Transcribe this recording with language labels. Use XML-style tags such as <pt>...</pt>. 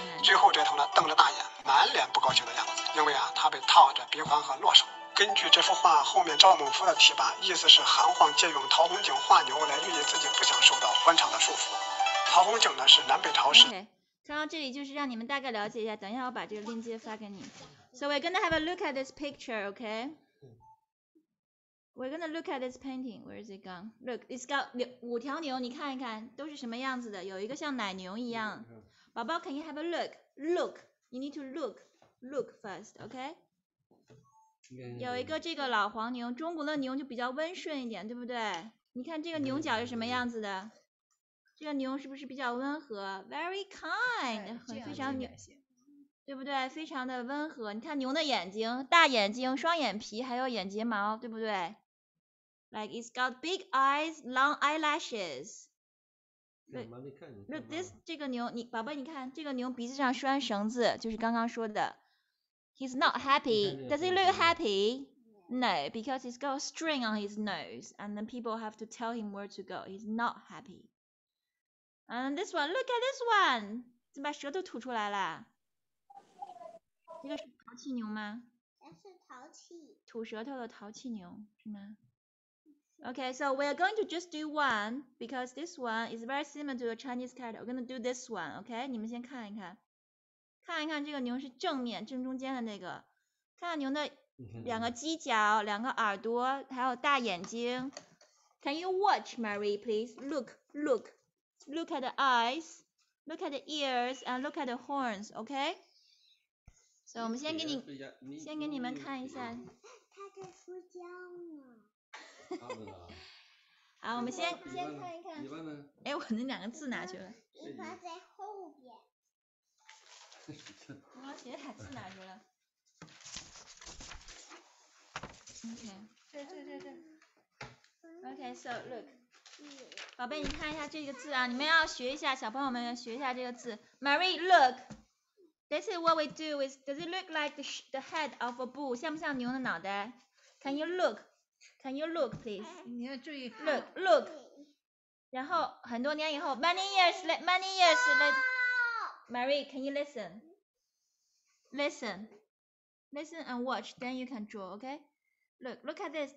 <zh>最后这头呢瞪着大眼，满脸不高兴的样子，因为啊它被套着鼻环和落手。根据这幅画后面赵孟頫的提拔，意思是韩晃借用陶弘景画牛来寓意自己不想受到官场的束缚。陶弘景呢是南北朝时。看到这里就是让你们大概了解一下，等一下我把这个链接发给你。</zh> <en>So we're gonna have a look at this picture, okay? We're gonna look at this painting. Where is it gone? Look, it's got 5条牛，你看一看都是什么样子的？</en> <zh>有一个像奶牛一样。宝宝 ， can you have a look?</zh> <en>Look, you need to look, look first, okay?</en> <zh>有一个这个老黄牛，中国的牛就比较温顺一点，对不对？你看这个牛角是什么样子的？这个牛是不是比较温和 ？ Very kind，很非常牛，对不对？非常的温和。你看牛的眼睛，大眼睛，双眼皮，还有眼睫毛，对不对 ？ Like it's got big eyes, long eyelashes. Look this，这个牛，你宝宝，你看这个牛鼻子上拴绳子，就是刚刚说的。</zh> <en>He's not happy. Does he look happy? No, because he's got a string on his nose, and then people have to tell him where to go. He's not happy. And this one, look at this one.</en> <zh>怎么把舌头吐出来了？这个是淘气牛吗？这是淘气。</zh> <en>吐舌头的淘气牛是吗？Okay, so we're going to just do one because this one is very similar to a Chinese character. We're gonna do this one.</en> <zh>Okay, 你们先看一看，看一看这个牛是正面正中间的那个，看牛的两个犄角、两个耳朵，还有大眼睛。</zh> <en>Can you watch, Mary? Please look, look. Look at the eyes, look at the ears, and look at the horns. Okay.</en> <zh>So 我们先给你，先给你们看一下。他在睡觉呢。他不知道。好，我们先看一看。你问呢？哎，我那两个字拿去了。尾巴在后边。我写俩字拿去了。</zh> <en>Okay.</en> <zh>对。</zh> <en>Okay. So look.</en> <zh>宝贝，你看一下这个字啊，你们要学一下，小朋友们要学一下这个字。</zh> <en>Marie, look. This is what we do. Is does it look like the head of a bull?</en> <zh>像不像牛的脑袋 ？ Can you look? Can you look, please? 你要注意。 Look, look. 然后很多年以后 ， many years later.</zh> <en>Marie, can you listen? Listen, listen and watch. Then you can draw. Okay. Look at this.</en>